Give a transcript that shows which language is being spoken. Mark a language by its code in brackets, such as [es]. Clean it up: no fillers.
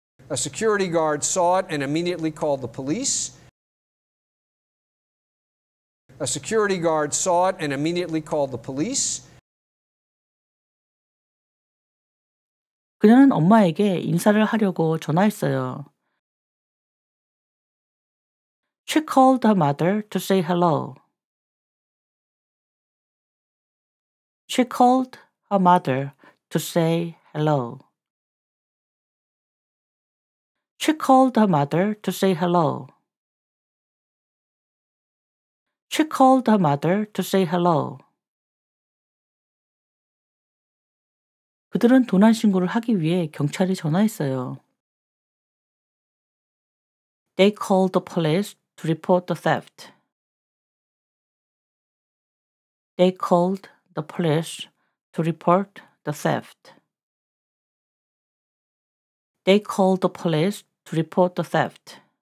[en] A security guard saw it and immediately called the police. A security guard saw it and immediately called the police. [ko] 그녀는 엄마에게 인사를 하려고 전화했어요. [en] She called her mother to say hello. She called her mother to say hello. She called her mother to say hello. She called her mother to say hello. [ko] 그들은 도난 신고를 하기 위해 경찰에 전화했어요. [en] They called the police to report the theft. They called the police to report the theft. They called the police to report the theft.